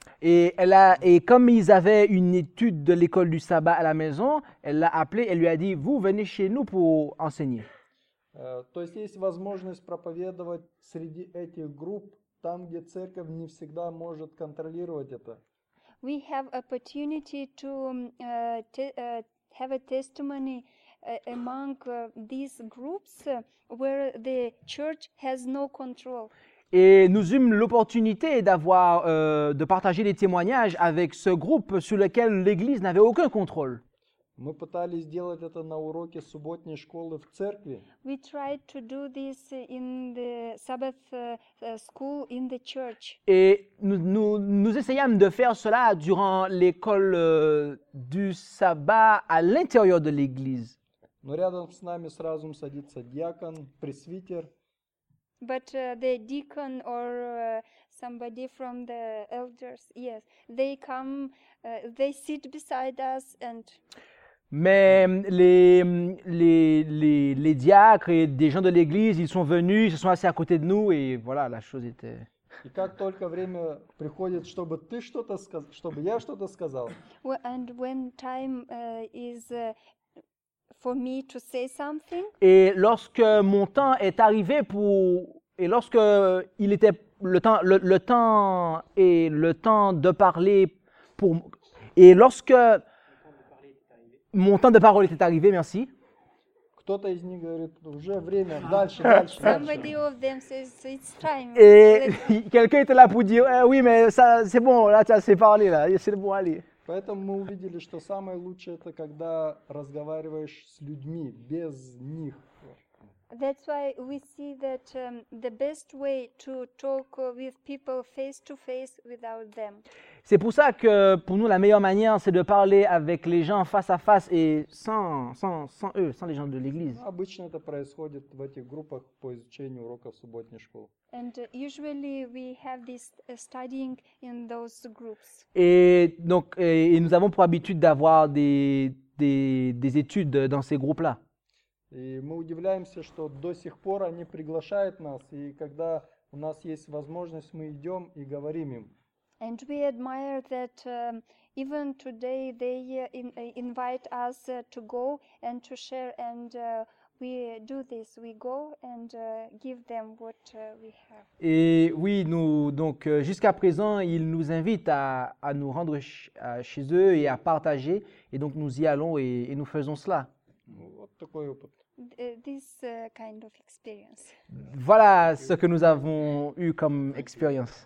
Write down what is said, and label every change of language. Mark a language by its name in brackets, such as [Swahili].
[French] Et comme ils avaient une étude de l'école du sabbat à la maison, elle l'a appelé et lui a dit, vous venez chez nous pour enseigner. [Russian] То есть есть возможность проповедовать среди этих групп там, где церковь не всегда может контролировать это. [English] We have opportunity to have a testimony among these groups where the church has no control. [French] Et nous eûmes l'opportunité d'avoir de partager des témoignages avec ce groupe sur lequel l'église n'avait aucun contrôle. [Russian] Мы пытались сделать это на уроке субботней школы в церкви. [English] We tried to do this in the Sabbath school in the church. [French] Et nous essayâmes de faire cela durant l'école du sabbat à l'intérieur de l'église. [Russian] Но рядом с нами сразу садится диакон, пресвитер. [English] But the deacon or somebody from the elders, yes, they come, they sit beside us and. [French] Mais les diacres et des gens de l'église, ils sont venus, ils se sont assis à côté de nous et voilà, la chose était. [Russian] И как только время приходит, чтобы ты что-то сказал, чтобы я что-то сказал. [English] And when time is for me to say something. [French] Et lorsque mon temps est arrivé pour et lorsque il était le temps de parler pour et lorsque mon temps de parole était arrivé, merci. [Russian] Кто-то из них говорит, уже время, дальше. [English] Somebody of them says it's time. [French] Et quelqu'un était là pour dire, oui, mais ça, c'est bon, là, tu as assez parlé, là, c'est bon, allez. [Russian] Поэтому мы увидели, что самое лучшее это когда разговариваешь с людьми без них. [English] That's why we see that the best way to talk with people face to face without them. [French] C'est pour ça que pour nous la meilleure manière c'est de parler avec les gens face à face et sans eux, sans les gens de l'église. [Russian] Обычно это происходит в этих группах по изучению уроков субботней школы. [English] And usually we have this studying in those groups. [French] Et donc et nous avons pour habitude d'avoir des études dans ces groupes-là. [Russian] И мы удивляемся, что до сих пор они приглашают нас, и когда у нас есть возможность, мы идем и говорим им. [English] And we admire that even today they invite us to go and to share, and we do this. We go and give them what we have. [French] Et oui, nous donc jusqu'à présent, ils nous invitent à nous rendre chez eux et à partager, et donc nous y allons et nous faisons cela. [Russian] Вот такой опыт. [English] This kind of experience. [French] Voilà ce que nous avons eu comme expérience.